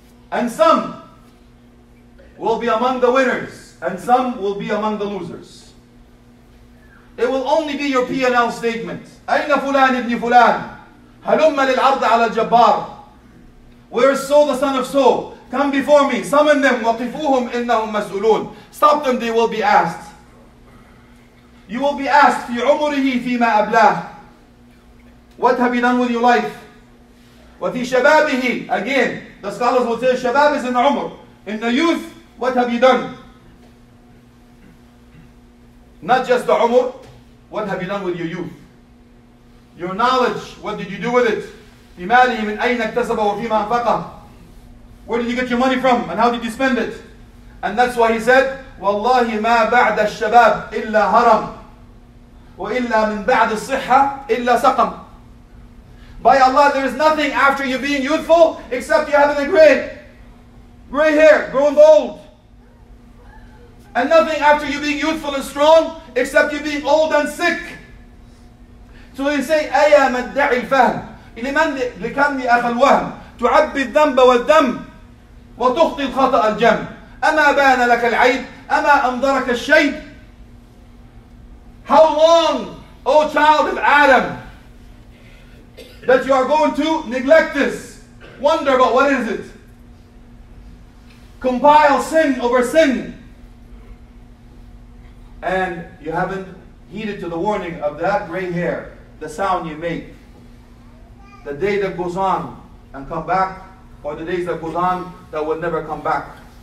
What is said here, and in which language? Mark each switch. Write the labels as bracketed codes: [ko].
[en] And some will be among the winners, and some will be among the losers. It will only be your P&L statement. [ar] أَيْنَ فُلَانِ ابْنِ فُلَانِ هَلُمَّ لِلْعَرْضِ عَلَى الْجَبَّارِ. [en] Where is so the son of so? Come before me, summon them. [ar] وَقِفُوهُمْ إِنَّهُمْ مَسْؤُولُونَ. [en] Stop them, they will be asked. You will be asked, [ar] فِي عُمُرِهِ فِي مَا أَبْلَاهِ. [en] What have you done with your life? [ar] وَفِي شَبَابِهِ. [en] Again, the scholars will say, شَبَاب is in عُمُر. In the youth, what have you done? Not just the umur, what have you done with your youth? Your knowledge, what did you do with it? [ar] بِمَالِهِ مِنْ أَيْنَ اكْتَسَبَ وَفِيمَا أَنْفَقَهُ. [en] Where did you get your money from and how did you spend it? And that's why he said, [ar] وَاللَّهِ مَا بَعْدَ الشَّبَابِ إِلَّا هَرَمْ وَإِلَّا مِنْ بَعْدِ الصِّحَّةِ إِلَّا سَقَمْ. [en] By Allah, there is nothing after you being youthful except you having a gray hair, growing bald. And nothing after you being youthful and strong, except you being old and sick. So they say, [ar] أَيَا مَدَّعِ الْفَهْمِ لِمَنْ لِكَمْنِ أَخَ الْوَهْمِ تُعَبِّ الذَّنْبَ وَالْدَّمِ وَتُخْطِي الْخَطَأَ الْجَمْءِ أَمَا بَانَ لَكَ الْعَيْبِ أَمَا أَمْضَرَكَ الشَّيْبِ. [en] How long, O child of Adam, that you are going to neglect this? Wonder about what is it? Compile sin over sin. And you haven't heeded to the warning of that gray hair, the sound you make, the day that goes on and come back, or the days that goes on that will never come back.